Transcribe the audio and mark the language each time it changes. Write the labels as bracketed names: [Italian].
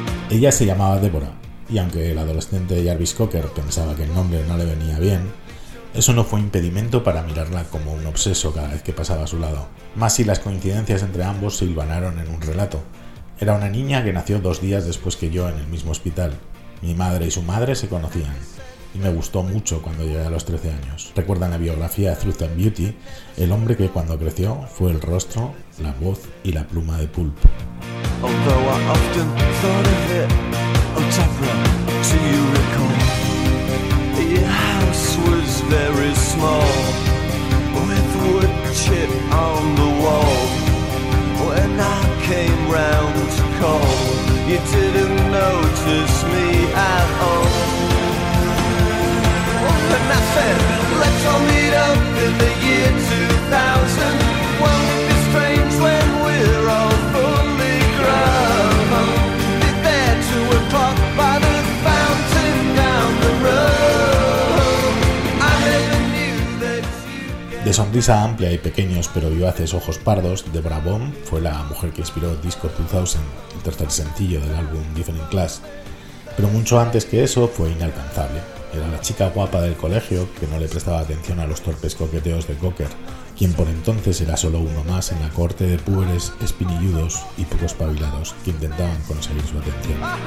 [Spanish] Ella se llamaba Deborah, y aunque el adolescente Jarvis Cocker pensaba que el nombre no le venía bien, eso no fue impedimento para mirarla como un obseso cada vez que pasaba a su lado, más si las coincidencias entre ambos se hilvanaron en un relato. Era una niña que nació 2 días después que yo en el mismo hospital. Mi madre y su madre se conocían. Y me gustó mucho cuando llegué a los 13 años. Recuerda en la biografía Truth and Beauty, el hombre que cuando creció fue el rostro, la voz y la pluma de Pulp. [English] Although I often thought of it, oh Tapra, do you recall? Your house was very small, with wood chip on the wall. When I came round to call, you didn't notice me at all. And I said, let's all meet up in the year 2000. Won't it be strange when we're all fully grown? Be there 2 o'clock by the fountain down the road. I never knew that you'd get... [Spanish] De sonrisa amplia y pequeños pero vivaces ojos pardos, Deborah Bomb fue la mujer que inspiró Disco 2000, el tercer sencillo del álbum Different Class. Pero mucho antes que eso fue inalcanzable. Era la chica guapa del colegio que no le prestaba atención a los torpes coqueteos de Cocker, quien por entonces era solo uno más en la corte de púberes espinilludos y poco espabilados que intentaban conseguir su atención.